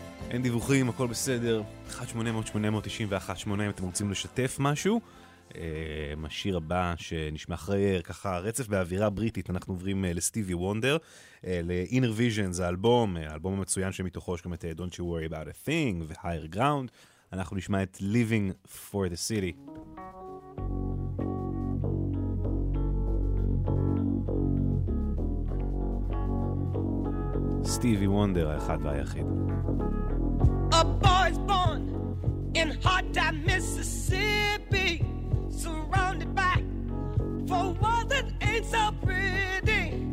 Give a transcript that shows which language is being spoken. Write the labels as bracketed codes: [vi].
[he] אין דיווחים, הכל בסדר. 1-800-891-8 אם אתם רוצים לשתף משהו. השיר הבא שנשמע אחרי ככה רצף באווירה בריטית, אנחנו עוברים לסטיבי וונדר, ל-Inner Visions, האלבום, האלבום המצוין שמתוכו יש גם את Don't You Worry About A Thing ו-Higher Ground. אנחנו נשמע את Living For The City. Stevie Wonder, האחד והיחיד. [en] A boy is born in hot time Mississippi, surrounded by for world that ain't so pretty.